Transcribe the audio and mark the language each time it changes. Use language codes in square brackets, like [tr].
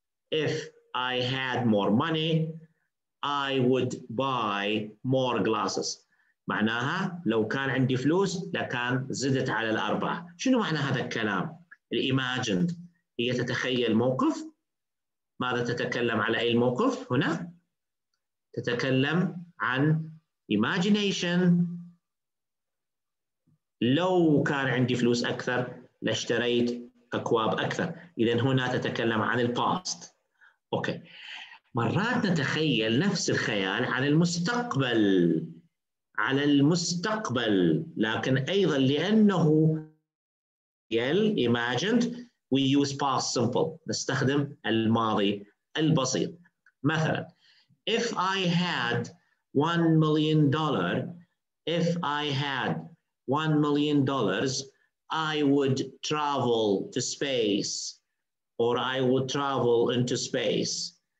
[en] If I had more money I would buy more glasses. [ar] معناها لو كان عندي فلوس لكان زدت على الأربعة. شنو معنى هذا الكلام؟ الإيماجند هي تتخيل موقف. ماذا تتكلم على أي موقف هنا؟ تتكلم عن imagination. لو كان عندي فلوس أكثر لاشتريت أكواب أكثر. إذن هنا تتكلم عن الباست. أوكي، مرات نتخيل نفس الخيال عن المستقبل، على المستقبل، لكن أيضا لأنه [en] imagined we use past simple، [ar] نستخدم الماضي البسيط. [en] مثلا if I had $1 million، if I had $1 million I would travel to space or I would travel into space.